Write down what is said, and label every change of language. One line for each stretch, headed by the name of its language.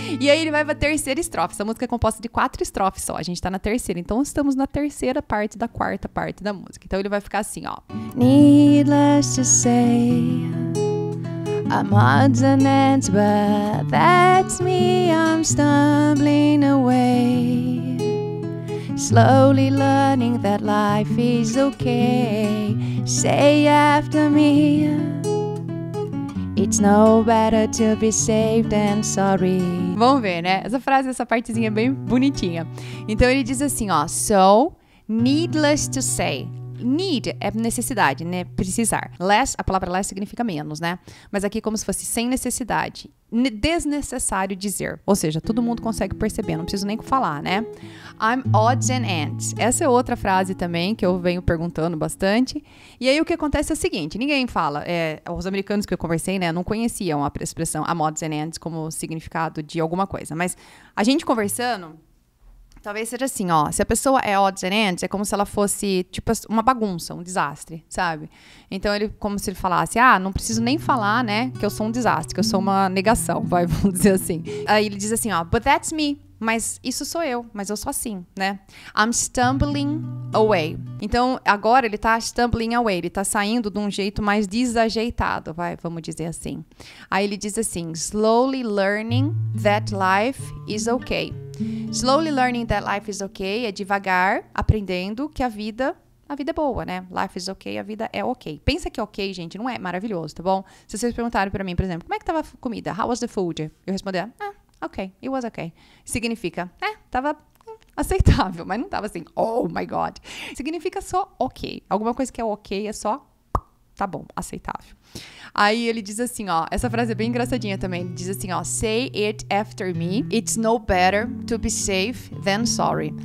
Portuguese: E aí ele vai pra terceira estrofe. Essa música é composta de 4 estrofes só. A gente tá na terceira. Então estamos na terceira parte da quarta parte da música. Então ele vai ficar assim, ó.
English: Needless to say, I'm odds and ends, but that's me, I'm stumbling away. Slowly learning that life is okay. Say after me, it's no better to be safe than sorry.
Portuguese: Vamos ver, né? Essa frase, essa partezinha é bem bonitinha. Então ele diz assim, ó,
English: so, needless to say.
Portuguese: Need é necessidade, né? Precisar. Less, a palavra less significa menos, né? Mas aqui como se fosse sem necessidade. Desnecessário dizer. Ou seja, todo mundo consegue perceber, não preciso nem falar, né?
English: I'm odds and ends.
Portuguese: Essa é outra frase também que eu venho perguntando bastante. E aí o que acontece é o seguinte, ninguém fala. É, os americanos que eu conversei, né, não conheciam a expressão
English: I'm odds and ends
Portuguese: como significado de alguma coisa. Mas a gente conversando... Talvez seja assim, ó, se a pessoa é odds and ends, é como se ela fosse, tipo, uma bagunça, um desastre, sabe? Então, ele como se ele falasse, ah, não preciso nem falar, né, que eu sou um desastre, que eu sou uma negação, vai, vamos dizer assim. Aí ele diz assim, ó,
English: but that's me,
Portuguese: mas isso sou eu, mas eu sou assim, né?
English: I'm stumbling away.
Portuguese: Então, agora ele tá stumbling away, ele tá saindo de um jeito mais desajeitado, vai, vamos dizer assim.
English: Aí ele diz assim, slowly learning that life is okay. Slowly learning that life is okay
Portuguese: é devagar aprendendo que a vida é boa, né?
English: Life is okay,
Portuguese: a vida é ok. Pensa que ok, gente, não é maravilhoso, tá bom? Se vocês perguntarem pra mim, por exemplo, como é que tava a comida?
English: How was the food?
Portuguese: Eu responder, ok,
English: it was okay.
Portuguese: Significa, tava aceitável, mas não tava assim,
English: oh my God.
Portuguese: Significa só ok. Alguma coisa que é ok é só, tá bom, aceitável. Aí ele diz assim, ó, essa frase é bem engraçadinha também, ele diz assim, ó,
English: say it after me, it's no better to be safe than sorry.